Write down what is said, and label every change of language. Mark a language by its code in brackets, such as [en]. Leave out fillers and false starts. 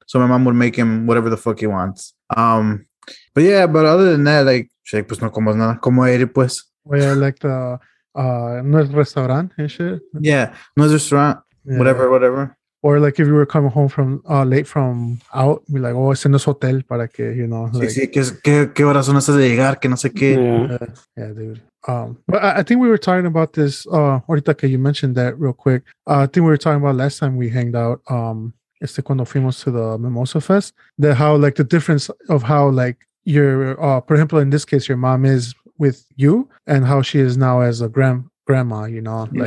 [en] So my mom would make him whatever the fuck he wants. But yeah, but other than that, like, she's like, [es] pues no comas nada. ¿Cómo eres, pues? [en] Well, yeah, like the, [es] no es restaurant [en] and shit. Yeah, [es] no es [en] restaurant, yeah. whatever. Or like if you were coming home from, late from out, be like, oh, [es] ese no es hotel para que, [en] you know. [es] Sí, like, sí, ¿qué horas son esas de llegar? Que no sé qué. [en] Yeah, dude. But I think we were talking about this, [es] ahorita que [en] you mentioned that real quick. I think we were talking about last time we hanged out, [es] este cuando fuimos [en] to the Mimosa Fest, that how, like, the difference of how, like, your, for example, in this case, your mom is with you and how she is now as a grandma, you know? Like,